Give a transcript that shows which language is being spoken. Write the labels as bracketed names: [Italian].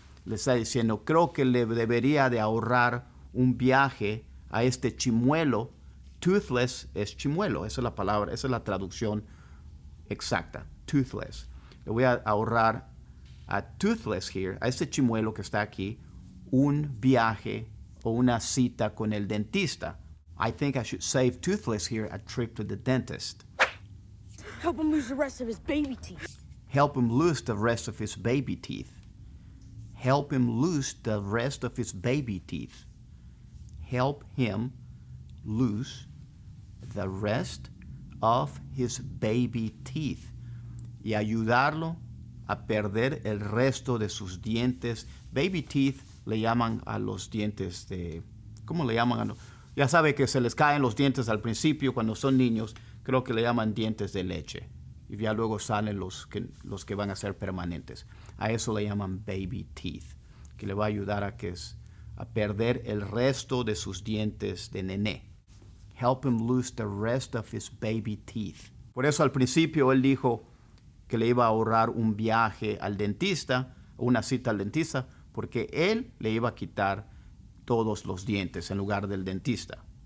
[Spanish] Le está diciendo, creo que le debería de ahorrar un viaje a este chimuelo. Toothless es chimuelo. Esa es la palabra, esa es la traducción exacta. Toothless. Le voy a ahorrar a [English] toothless here, [Spanish] a este chimuelo que está aquí, un viaje o una cita con el dentista. [English] I think I should save toothless here a trip to the dentist. Help him lose the rest of his baby teeth. Help him lose the rest of his baby teeth. Help him lose the rest of his baby teeth. Help him lose the rest of his baby teeth. [Spanish] Y ayudarlo a perder el resto de sus dientes. [English] Baby teeth [Spanish] le llaman a los dientes de... ¿Cómo le llaman a los...? Ya sabe que se les caen los dientes al principio cuando son niños. Creo que le llaman dientes de leche. Y ya luego salen los que van a ser permanentes. A eso le llaman [English] baby teeth. [Spanish] Que le va a ayudar a perder el resto de sus dientes de nené. [English] Help him lose the rest of his baby teeth. [Spanish] Por eso al principio él dijo que le iba a ahorrar un viaje al dentista. O una cita al dentista. Porque él le iba a quitar todos los dientes en lugar del dentista.